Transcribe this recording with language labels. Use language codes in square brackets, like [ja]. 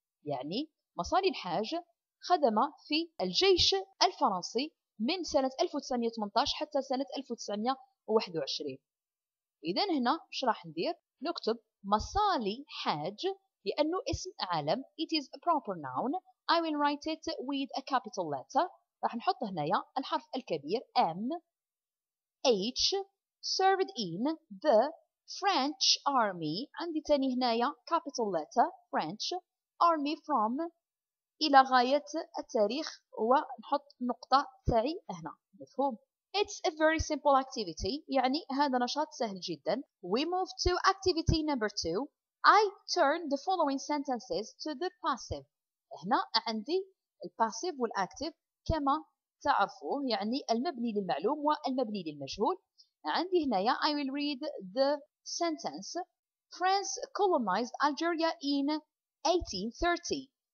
[ar] يعني مصالي الحاج خدم في الجيش الفرنسي من سنة 1918 حتى سنة 1921. إذن هنا ماذا راح ندير؟ نكتب مصالي حاج لأنه اسم عالم. [en] It is a proper noun. I will write it with a capital letter. [ar] راح نحط هنا الحرف الكبير M. [en] H served in the French army. [ar] عندي تاني هنا [en] capital letter French army from [ar] إلى غاية التاريخ ونحط نقطة تاعي هنا. مفهوم؟ [en] It's a very simple activity. [ar] يعني هذا نشاط سهل جدا. [en] We move to activity number 2. I turn the following sentences to the passive. [ar] هنا عندي الباسيف والاكتيف كما تعرفوه، يعني المبني للمعلوم والمبني للمجهول. عندي هنا يا [en] I will read the sentence. France colonized Algeria in 1830.